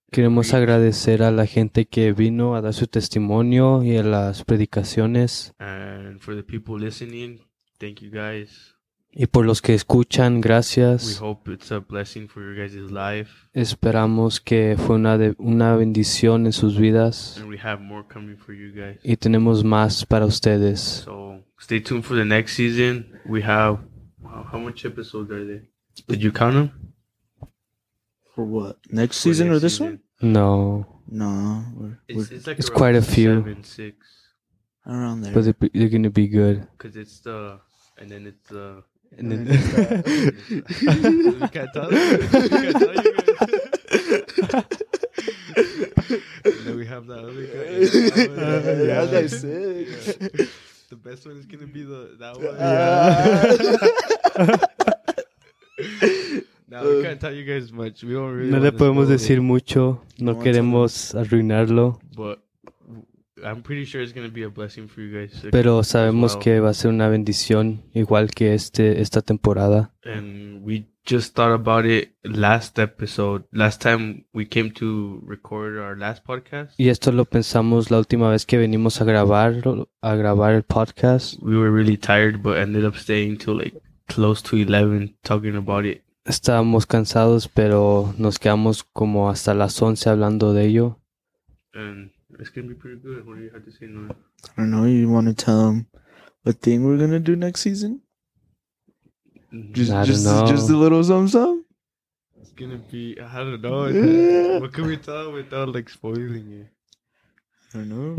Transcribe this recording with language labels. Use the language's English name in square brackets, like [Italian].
[Spanish] queremos agradecer a la gente que vino a dar su testimonio y a las predicaciones. [English] And for the people listening, thank you guys. [Spanish] Y por los que escuchan, gracias. [English] We hope it's a blessing for your guys' life. [Spanish] Esperamos que fue una bendición en sus vidas. [English] And we have more coming for you guys. [Spanish] Y tenemos más para ustedes. [English] So stay tuned for the next season. We have, how much episodes are there? Did you count them? For what? Next season or this season? One? No. No. It's quite a few. 7, 6. Around there. But they're going to be good. Because it's the... And then it's the... And then it's the... And then we have that other guy. Yeah, that guy's sick. Yeah. The best one is going to be that one. Yeah. No, we can't tell you guys much. We don't really. [Spanish] No le podemos decir mucho. No queremos arruinarlo. [English] But I'm pretty sure it's going to be a blessing for you guys. [Spanish] Pero sabemos que va a ser una bendición igual que esta temporada. [English] And we just thought about it last episode. Last time we came to record our last podcast. [Spanish] Y esto lo pensamos la última vez que venimos a grabar el podcast. [English] We were really tired, but ended up staying till like close to 11 talking about it. [Spanish] Estábamos cansados, pero nos quedamos como hasta las 11 hablando de ello. [English] And it's going to be pretty good. What do you have to say, Noah? I don't know. You want to tell them what thing we're going to do next season? Just a little something? It's going to be, I don't know. Yeah. What can we tell without like spoiling it? I don't know.